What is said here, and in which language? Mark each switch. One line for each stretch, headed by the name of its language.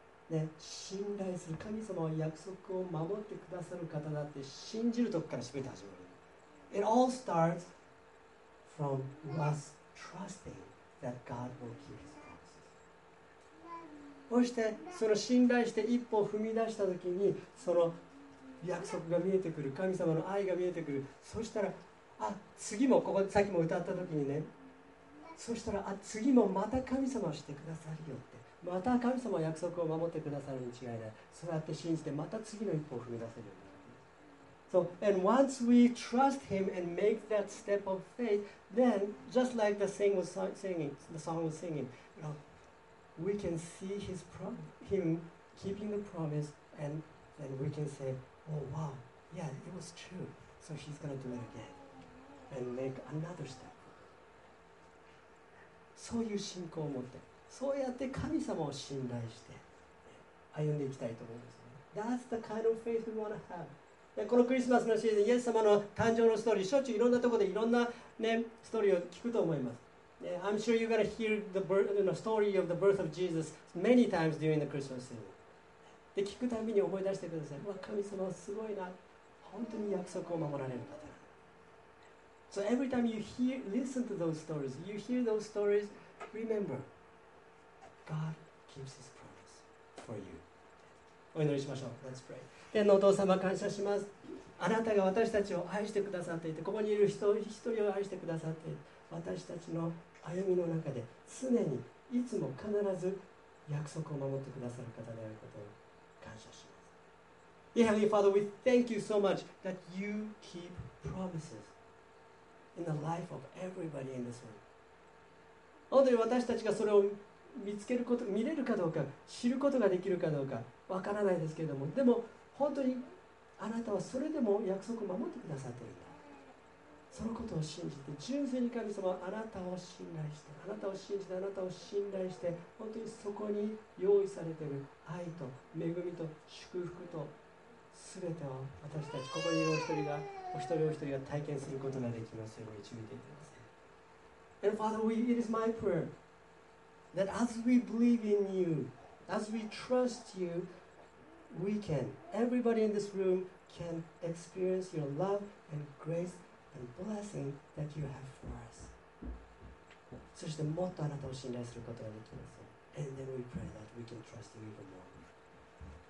Japanese: ね、信頼する。神様は約束を守ってくださる方だって信じるとこから全て始まる。
English: It all starts from us trusting that God will keep His promises.
Japanese: そしてその信頼して一歩踏み出したときに、その約束が見えてくる、神様の愛が見えてくる。そしたら、あ、次もここさっきも歌ったときにね、そしたら、あ、次もまた神様をしてくださるよって、また神様は約束を守ってくださるに違いない。そうやって信じて、また次の一歩を踏み出せる。
English: So, and once we trust him and make that step of faith, then just like the song was singing, you know, we can see him keeping the promise, and then we can say, oh wow, yeah, it was true. So he's going to do it again and make another step.
Japanese: そういう信仰を持って、そうやって神様を信頼して歩んでいきたいと思うんですね。
English: That's the kind of faith we want to have.
Japanese: このクリスマスのシーズン、イエス様の誕生のストーリー、しょっちゅういろんなところでいろんな、ね、ストーリーを聞くと思います。
English: I'm sure you're going to hear the birth, you know, story of the birth of Jesus many times during the Christmas season.
Japanese: で、聞くたびに思い出してください。わ、神様すごいな。本当に約束を守られる方。
English: So every time you hear, listen to those stories, you hear those stories, remember, God keeps his promise for you.
Japanese: お祈りしましょう。
English: Let's pray.
Japanese: 天のお父様、感謝します。あなたが私たちを愛してくださっていて、ここにいる人一人を愛してくださっていて、私たちの歩みの中で常にいつも必ず約束を守ってくださる方であることを感謝します。
English: Yeah, Heavenly Father, we thank you so much that you keep promises in the life of everybody in this world.
Japanese: 本当に私たちがそれを見つけること、見れるかどうか、知ることができるかどうかわからないですけれども、でも本当にあなたはそれでも約束を守ってくださっているんだ。そのことを信じて、純粋に神様、あなたを信頼して、あなたを信じて、あなたを信頼して、本当にそこに用意されている愛と恵みと祝福と全てを私たち、ここにいるお一人が、お一人お一人が体験することができますように導いていきます。
English: And Father, it is my prayer that as we believe in you, as we trust you,We can, everybody in this room can experience your love and grace and blessing that you have for us.
Japanese: そしてもっとあなたを信頼することができます。
English: And then we pray that we can trust you even more.